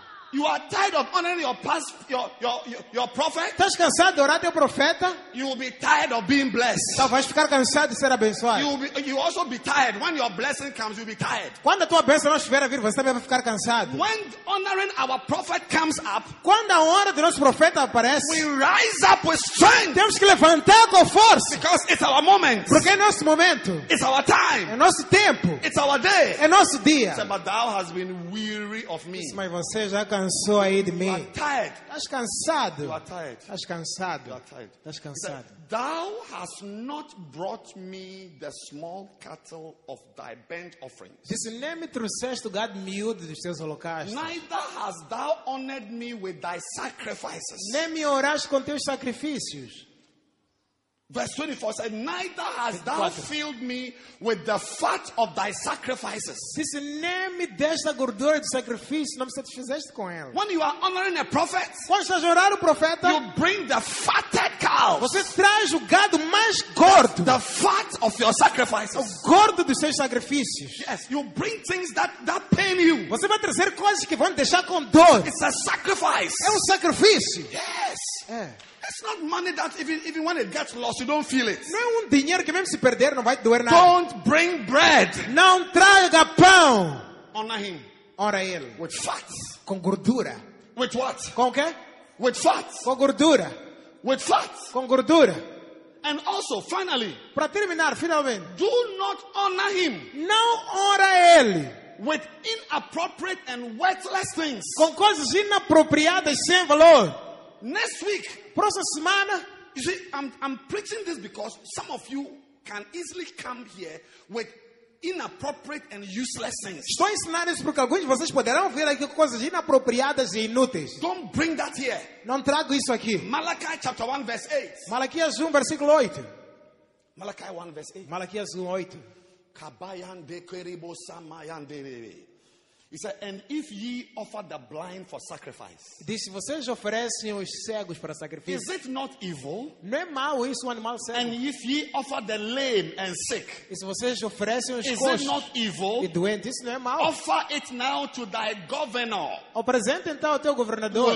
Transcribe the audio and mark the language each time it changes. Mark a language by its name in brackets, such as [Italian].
[English] You are tired of honoring your past, your prophet. [Portuguese] Estás cansado de orar teu profeta? [English] You will be tired of being blessed. [Portuguese] Tá, vais ficar cansado de ser abençoado. [English] You also be tired when your blessing comes. You'll be tired. [Portuguese] Quando a tua bênção não estiver a vir, você também vai ficar cansado. [English] When honoring our prophet comes up, [Portuguese] quando a honra do nosso profeta aparece, [English] we rise up with strength. [Portuguese] Temos que levantar com força. [English] Because it's our moment. [Portuguese] Porque é nosso momento. [English] It's our time. [Portuguese] É nosso tempo. [English] It's our day. [Portuguese] É nosso dia. [English] But thou has been weary of me. [Portuguese] Mas você já cansou aí de mim. Estás cansado. Estás cansado. Estás cansado. [English] Thou hast not brought me the small cattle of thy burnt offerings. [Portuguese] Diz, nem me trouxeste o gado miúdo dos teus holocaustos. [English] Neither hast thou honored me with thy sacrifices. [Portuguese] Nem me honraste com teus sacrifícios. [English] Verse 24 said, neither hast thou filled me with the fat of thy sacrifices. [Portuguese] Diz, nem me deste a gordura do sacrifício, não me satisfizeste com ela. [English] When you are honoring a prophet, [Portuguese] quando estás a honrar o profeta, [English] you bring the fatted cows. [Portuguese] Você traz o gado mais gordo. [English] The fat of your sacrifices. [Portuguese] O gordo dos seus sacrifícios. [English] Yes, you bring things that pain you. [Portuguese] Você vai trazer coisas que vão deixar com dor. [English] It's a sacrifice. [Portuguese] É um sacrifício. [English] Yes. [Portuguese] É. [English] It's not money that even when it gets lost, you don't feel it. [Portuguese] Não é dinheiro que mesmo se perder não vai doer nada. [English] Don't bring bread. [Portuguese] Não traga pão. [English] Honor him. [Portuguese] Honra ele. [English] With fat. [Portuguese] Com gordura. [English] With what? [Portuguese] Com o quê? [English] With fat. [Portuguese] Com gordura. [English] With fat. [Portuguese] Com gordura. [English] And also, finally. [Portuguese] Para terminar, finalmente. [English] Do not honor him. [Portuguese] Não honra ele. [English] With inappropriate and worthless things. [Portuguese] Com coisas inapropriadas sem valor. [English] Next week, [Portuguese] próxima semana, [English] you see, I'm preaching this because some of you can easily come here with inappropriate and useless things. [Portuguese] Estou ensinando isso porque alguns de vocês poderão vir aqui com coisas inapropriadas e inúteis. [English] Don't bring that here. [Portuguese] Não trago isso aqui. [English] Malachi chapter 1 verse 8. [Portuguese] Malaquias 1 versículo 8. [English] Malachi 1 verse 8. [Portuguese] Malaquias 1 8. Kabayan de kerebo samayan de. [English] He said, and if ye offer the blind for sacrifice. [Portuguese] Diz, se vocês oferecem os cegos para sacrifício. [English] Is it not evil? [Portuguese] Não é mau isso, um animal cego? [English] And if ye offer the lame and sick. [Portuguese] E se vocês oferecem os [English] is [Portuguese] coxos [English] it not evil? [Portuguese] E doentes, isso não é mau. [English] Offer it now to thy governor. [Portuguese] Apresente então ao teu governador.